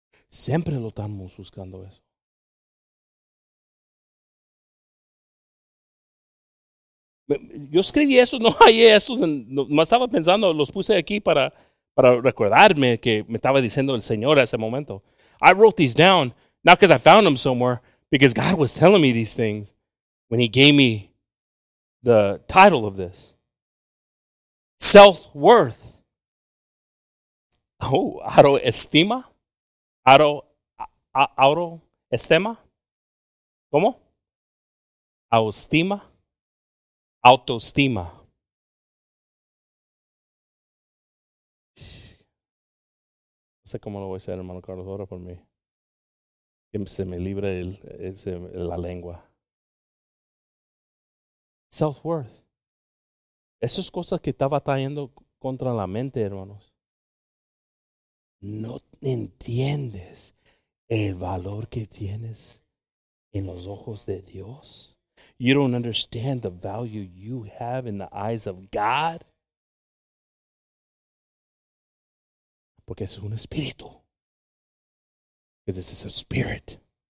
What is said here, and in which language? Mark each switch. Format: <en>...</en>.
<es>Siempre lo estamos buscando eso. Yo escribí eso, no hallé eso. No estaba pensando, los puse aquí para recordarme que me estaba diciendo el Señor a ese momento.</es> <en>I wrote these down, not because I found them somewhere, because God was telling me these things when he gave me the title of this. Self-worth. Oh, autoestima.</en> <es>Autoestima. ¿Cómo? Autoestima. Autoestima. No sé cómo lo voy a hacer, hermano Carlos, ahora por mí. Que se me libre la lengua. Self-worth. Esas cosas que está batallando contra la mente, hermanos. No entiendes el valor que tienes en los ojos de Dios.</es> <en>You don't understand the value you have in the eyes of God.</en> <es>Porque es un espíritu.</es> <en>Because this is a spirit.</en>